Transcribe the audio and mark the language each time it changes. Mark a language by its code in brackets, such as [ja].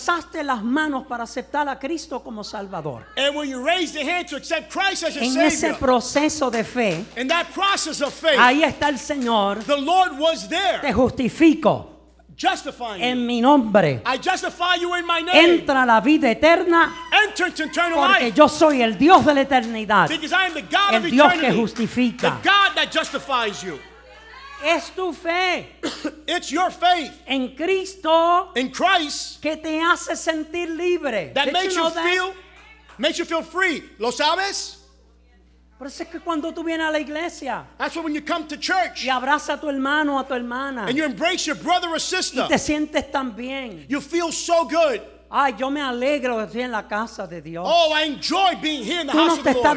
[es] Alzaste las manos para aceptar a Cristo como Salvador, [en] and when you raised your hand to accept Christ as your [es] en [en] Savior, [es] ese proceso de fe, [en] in that process of faith, [es] ahí está el Señor, [en] the Lord was there. [es] Te justifico. [en] Justifying [es] en mi nombre. [en] I justify you in my name. [es] Entra la vida eterna. [en] Enter into eternal [es] porque [en] life. [es] Yo soy el Dios de la eternidad. [en] Because I am the God [es] el [en] of [es] Dios [en] eternity. [es] Que justifica. [en] The God that justifies you. [es] Es tu fe. [en] It's your faith. [es] En Cristo. [en] In Christ. [es] Que te hace sentir libre. [en] That makes you, feel, makes you feel free. [es] ¿Lo sabes? Por eso es que cuando tú vienes a la iglesia, [en] that's why when you come to church, [es] y abraza a tu hermano o a tu hermana, [en] and you embrace your brother or sister, [es] y te sientes tan bien, [en] you feel so good. [es] Ay, yo me alegro de estar en la casa de Dios. [en] Oh, I enjoy being here in the [es] tú te [en] the [es] estás